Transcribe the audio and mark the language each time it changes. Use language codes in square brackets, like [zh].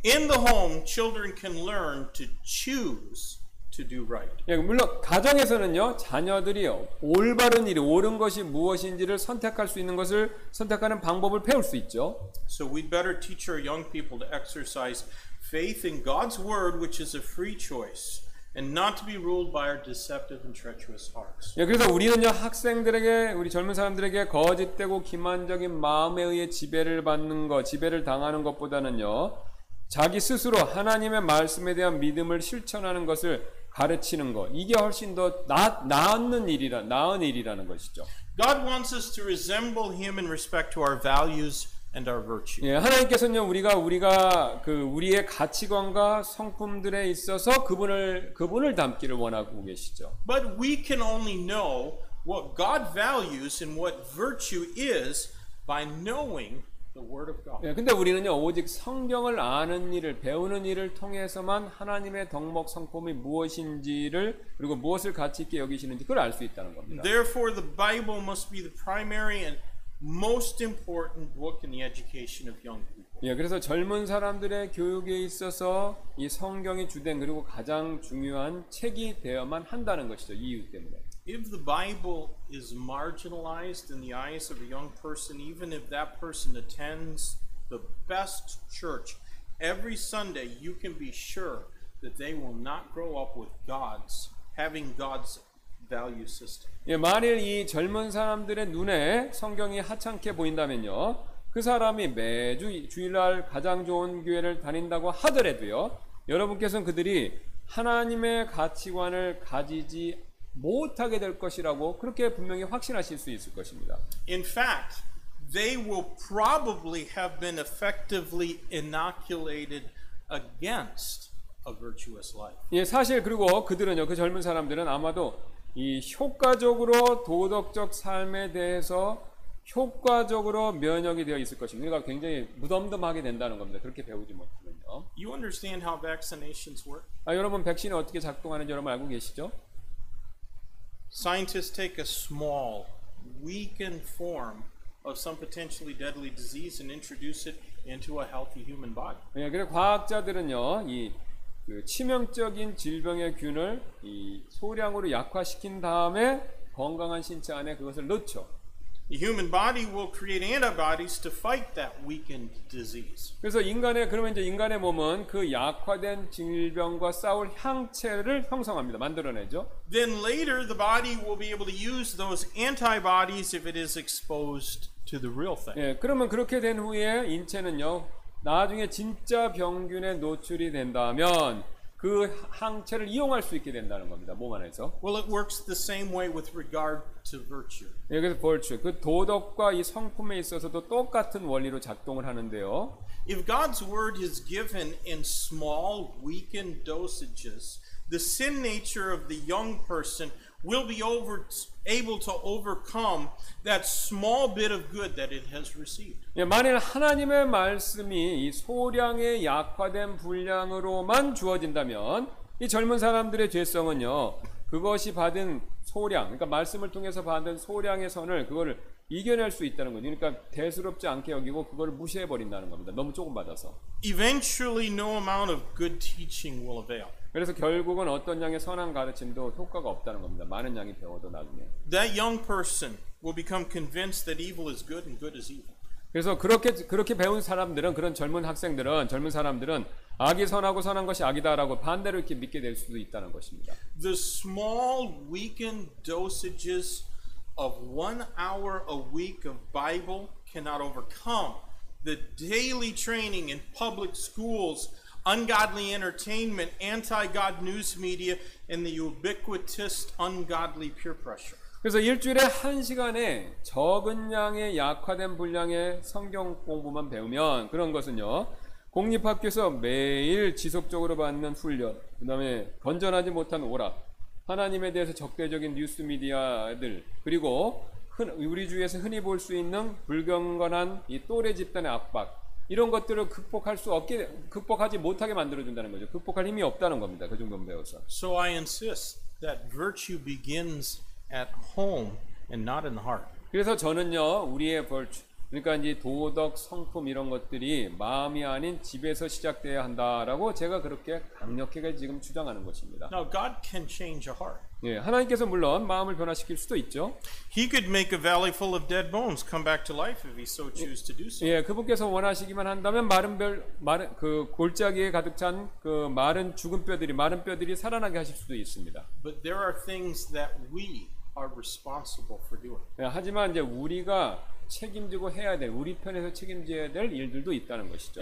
[en] In the home, children can learn to choose to do right. [ko] 예, 물론 가정에서는요, 자녀들이요, 올바른 일이 옳은 것이 무엇인지를 선택할 수 있는 것을 선택하는 방법을 배울 수 있죠. [en] So we better teach our young people to exercise faith in God's word, which is a free choice. And not to be ruled by our deceptive and treacherous hearts. [ko] 예, 그래서 우리는요 학생들에게 우리 젊은 사람들에게 거짓되고 기만적인 마음에 의해 지배를 받는 것, 지배를 당하는 것보다는요 자기 스스로 하나님의 말씀에 대한 믿음을 실천하는 것을 가르치는 것 이게 훨씬 더 나은 일이라는 것이죠. [en] God wants us to resemble Him in respect to our values. And our virtue. [ko] 예, 하나님께서는요 우리가 그 우리의 가치관과 성품들에 있어서 그분을 닮기를 원하고 계시죠. [en] But we can only know what God values and what virtue is by knowing the Word of God. [ko] 예, 근데 우리는요 오직 성경을 아는 일을 배우는 일을 통해서만 하나님의 덕목 성품이 무엇인지를 그리고 무엇을 가치 있게 여기시는지 그걸 알 수 있다는 겁니다. [en] Therefore, the Bible must be the primary and most important book in the education of young people. [ko] 예, 그래서 젊은 사람들의 교육에 있어서 이 성경이 주된 그리고 가장 중요한 책이 되어야만 한다는 것이죠. 이 이유 때문에. [en] If the Bible is marginalized in the eyes of a young person, even if that person attends the best church every Sunday, you can be sure that they will not grow up with God's having God's value system. [ko] 예, 만일 이 젊은 사람들의 눈에 성경이 하찮게 보인다면요, 그 사람이 매주 주일날 가장 좋은 교회를 다닌다고 하더라도요, 여러분께서는 그들이 하나님의 가치관을 가지지 못하게 될 것이라고 그렇게 분명히 확신하실 수 있을 것입니다. [en] In fact, they will probably have been effectively inoculated against a virtuous life. [ko] 예, 사실 그리고 그들은요, 그 젊은 사람들은 아마도 이 효과적으로 도덕적 삶에 대해서 효과적으로 면역이 되어 있을 것입니다. 그러니까 굉장히 무덤덤하게 된다는 겁니다. 그렇게 배우지 못하면요. [en] You understand how vaccinations work? [ko] 아, 여러분 백신이 어떻게 작동하는지 여러분 알고 계시죠? [en] Scientists take a small, weakened form of some potentially deadly disease and introduce it into a healthy human body. [ko] 예, 그래 과학자들은요, 이 그 치명적인 질병의 균을 이 소량으로 약화시킨 다음에 건강한 신체 안에 그것을 넣죠. [en] The human body will create antibodies to fight that weakened disease. [ko] 그래서 인간의 그러면 이제 인간의 몸은 그 약화된 질병과 싸울 항체를 형성합니다. 만들어내죠. [en] Then later the body will be able to use those antibodies if it is exposed to the real thing. [ko] 예, 그러면 그렇게 된 후에 인체는요. 나중에 진짜 병균에 노출이 된다면 그 항체를 이용할 수 있게 된다는 겁니다. 몸 안에서. [en] Well, it works the same way with regard to virtue. [ko] 여기서 virtue, 그 도덕과 이 성품에 있어서도 똑같은 원리로 작동을 하는데요. [en] If God's word is given in small, weakened dosages, the sin nature of the young person will be able to overcome that small bit of good that it has received. [ko] 예, 만일 하나님의 말씀이 이 소량의 약화된 분량으로만 주어진다면 이 젊은 사람들의 죄성은요. 그것이 받은 소량, 그러니까 말씀을 통해서 받은 소량의 선을 그거를 이겨낼 수 있다는 거죠. 그러니까 대수롭지 않게 여기고 그걸 무시해 버린다는 겁니다. 너무 조금 받아서. [en] Eventually no amount of good teaching will avail. [ko] 그래서 결국은 어떤 양의 선한 가르침도 효과가 없다는 겁니다. 많은 양이 배워도 나중에. [en] That young person will become convinced that evil is good and good is evil. [ko] 그래서 그렇게 배운 사람들은 그런 젊은 학생들은 젊은 사람들은 악이 선하고 선한 것이 악이다라고 반대로 이렇게 믿게 될 수도 있다는 것입니다. [en] The small weakened dosages of 1 hour a week of Bible cannot overcome the daily training in public schools. Ungodly entertainment, anti-God news media, and the ubiquitous ungodly peer pressure. [ko] 그래서 일주일에 한 시간에 적은 양의 약화된 분량의 성경 공부만 배우면 그런 것은요 공립학교에서 매일 지속적으로 받는 훈련, 그다음에 건전하지 못한 오락, 하나님에 대해서 적대적인 뉴스 미디어들, 그리고 우리 주위에서 흔히 볼 수 있는 불경건한 이 또래 집단의 압박. 이런 것들을 극복하지 못하게 만들어 준다는 거죠. 극복할 힘이 없다는 겁니다. 그 정도 배워서. [en] So I insist that virtue begins at home and not in the heart. [ko] 그래서 저는요, 우리의 virtue, 그러니까 이제 도덕 성품 이런 것들이 마음이 아닌 집에서 시작돼야 한다라고 제가 그렇게 강력하게 지금 주장하는 것입니다. [en] Now God can change a heart. [ko] 예, 하나님께서 물론 마음을 변화시킬 수도 있죠. [en] He could make a valley full of dead bones come back to life if he so choose to do so. [ko] 예, 그분께서 원하시기만 한다면 그 골짜기에 가득 찬 그 마른 뼈들이 살아나게 하실 수도 있습니다. [en] But there are things that we are responsible for doing. [ko] 예, 하지만 이제 우리가 책임지고 해야 될 우리 편에서 책임져야 될 일들도 있다는 것이죠.